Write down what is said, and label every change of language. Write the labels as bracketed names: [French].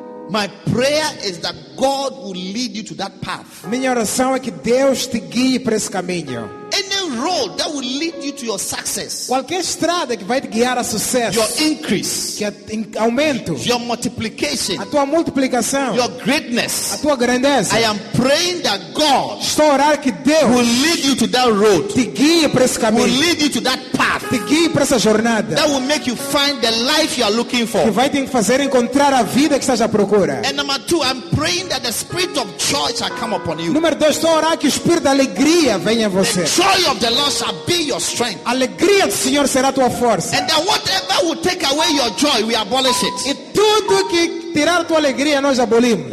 [English] My prayer is that God will lead you to that path. [Portuguese] Minha oração é que Deus te guie para esse caminho. [English] Any road that will lead you to your success. [Portuguese] Qualquer estrada que vai te guiar a sucesso. [English] Your increase. [Portuguese] Que é aumento. [English] Your multiplication. [Portuguese] A tua multiplicação. [English] Your greatness. [Portuguese] A tua grandeza. [English] I am praying that God. [Portuguese] Estou orar que Deus [English] will lead you to that road. [Portuguese] Te guie para esse caminho. [English] Will lead you to that path. [Portuguese] Te guie para essa jornada. [English] That will make you find the life you are looking for. [Portuguese] Que vai te fazer encontrar a vida que estás à procura. [English] And number two, I'm praying that the spirit of joy shall come upon you. [Portuguese] Número dois, estou orar que o espírito da alegria venha a você. [English] The joy of the Lord shall be your strength. [Portuguese] Alegria do Senhor será tua força. [English] And that whatever will take away your joy, we abolish it. [Portuguese] E tudo que tirar tua alegria, nós abolimos.